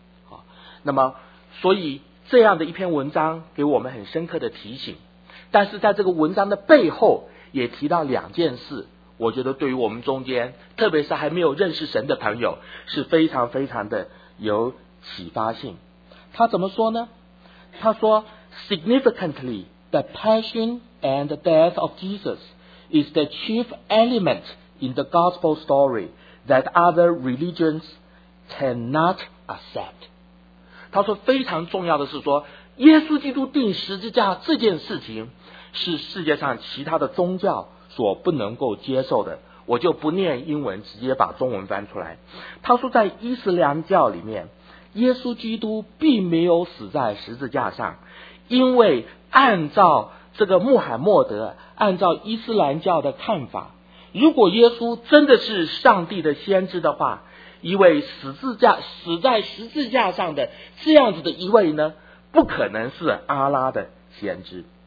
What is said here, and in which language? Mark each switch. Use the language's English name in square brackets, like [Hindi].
[Chinese] 好，那么所以这样的一篇文章给我们很深刻的提醒，但是在这个文章的背后也提到两件事，我觉得对于我们中间特别是还没有认识神的朋友是非常非常的有启发性。他怎么说呢？他说 [English] Significantly, the passion and the death of Jesus is the chief element in the gospel story that other religions cannot accept。 [Chinese] 他说非常重要的是说耶稣基督钉十字架这件事情是世界上其他的宗教所不能够接受的。我就不念英文，直接把中文翻出来。他说在伊斯兰教里面，耶稣基督并没有死在十字架上，因为按照这个穆罕默德，按照伊斯兰教的看法，如果耶稣真的是上帝的先知的话，一位死在十字架上的这样子的一位呢，不可能是阿拉的先知。